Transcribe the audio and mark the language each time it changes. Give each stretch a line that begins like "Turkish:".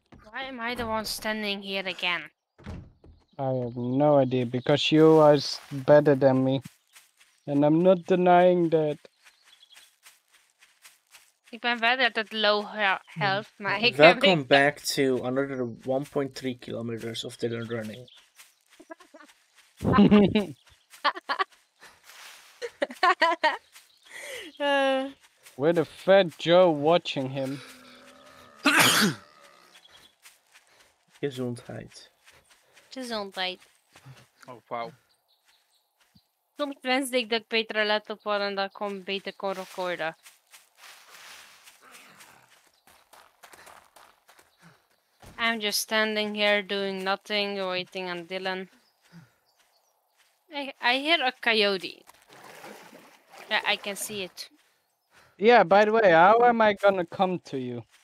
English: Why am I the one standing here again? I have no idea, because you are better than me. And I'm not denying that.
Dutch: Ik ben verder dat
English: low health,
Dutch: maar ik heb...
English: Welcome back to another 1.3 kilometers of Dylan running. With a fat Joe watching him.
Dutch: Gezondheid. Gezondheid. Oh, wauw. Soms wenste ik dat ik betere laptop had en dat ik beter kon recorden.
English: I'm just standing here doing nothing, waiting on Dylan. I hear a coyote. I can see it. Yeah, by the way, how am I gonna come to you?